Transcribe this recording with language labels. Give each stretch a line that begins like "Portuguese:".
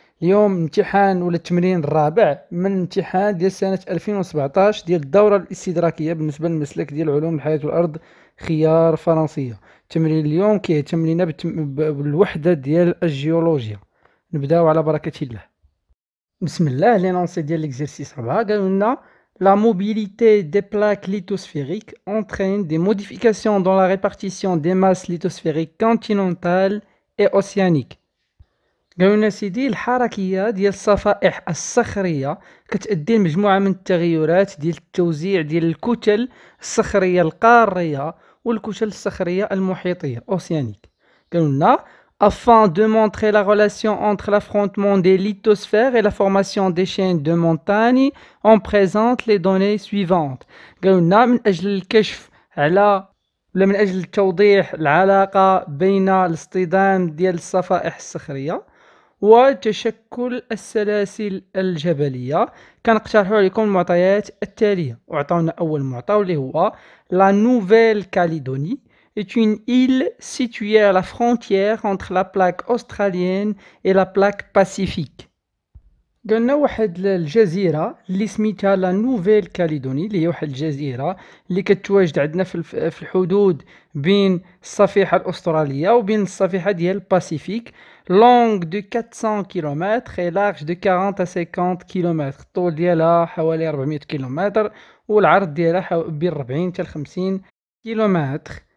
Arabic: اليوم امتحان ولا التمرين الرابع من امتحان ديال سنة 2017 ديال الدورة الاستدراكية بالنسبة للمسلك ديال علوم الحياة والأرض خيار فرنسية. تمرين اليوم كيهتم لينا بالوحدة ديال الجيولوجيا. نبداو على بركة الله. بسم الله، لينونسي ديال ليكزيرسيس 4 قالوا لنا
French: La mobilité des plaques lithosphériques entraîne des modifications dans la répartition des masses lithosphériques continentales اي اوسيانيك.
Arabic: قالوا لنا سيدي الحركيه ديال الصفائح الصخريه كتؤدي لمجموعه من التغيرات ديال التوزيع ديال الكتل الصخريه القاريه والكتل الصخريه المحيطيه اوسيانيك. قالوا لنا
French: afin de montrer la relation entre l'affrontement des lithosphères et la formation des chaînes de montagne on présente les données suivantes.
Arabic: قالوا لنا من اجل الكشف على ولا من اجل توضيح العلاقه بين الاصطدام ديال الصفائح الصخريه وتشكل السلاسل الجبليه كنقترحوا عليكم المعطيات التاليه. وعطاونا اول معطى اللي هو
French: لا نوفيل كاليدوني est une île située à la frontière entre la plaque australienne et la plaque pacifique.
Arabic: قلنا واحد الجزيرة اللي سميتها لا نوفيل كاليدوني، اللي هي واحد الجزيرة اللي كتواجد عندنا في الحدود بين الصفيحة الأسترالية وبين الصفيحة ديال الباسيفيك.
French: لونغ دو 400 كيلومتر اي لارج دو 40 حتى 50 كيلومتر،
Arabic: الطول ديالها حوالي 400 كيلومتر والعرض ديالها بين 40 حتى 50 كيلومتر.